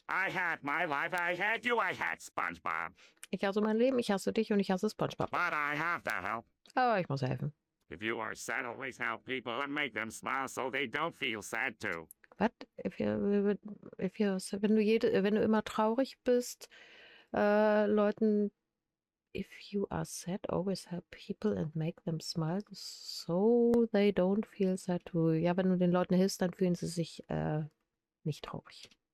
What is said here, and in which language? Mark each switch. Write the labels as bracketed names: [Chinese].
[English] I had my life, I had you, I had SpongeBob. [German] Ich hasse mein Leben, ich hasse dich und ich hasse SpongeBob. [English] But I have to help. [German] Aber ich muss helfen. [English] If you are sad, always help people and make them smile so they don't feel sad too. What? [German] Wenn du immer traurig bist, Leuten, [English] if you are sad, always help people and make them smile so they don't feel sad too. [German] Ja, wenn du den Leuten hilfst, dann fühlen sie sich nicht traurig.